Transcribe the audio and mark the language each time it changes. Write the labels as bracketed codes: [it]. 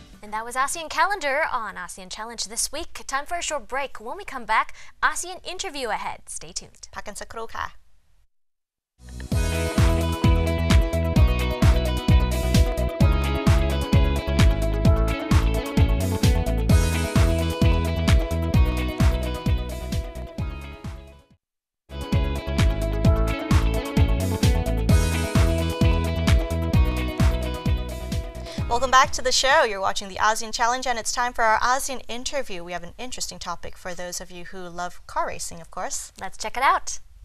[en] That was ASEAN Calendar on ASEAN Challenge this week. Time for a short break. When we come back, ASEAN interview ahead. Stay tuned. [th] พักกันสักครู่ค่ะ [en] Welcome back to the show. You're watching the ASEAN Challenge, and it's time for our ASEAN interview. We have an interesting topic for those of you who love car racing, of course. Let's check it out.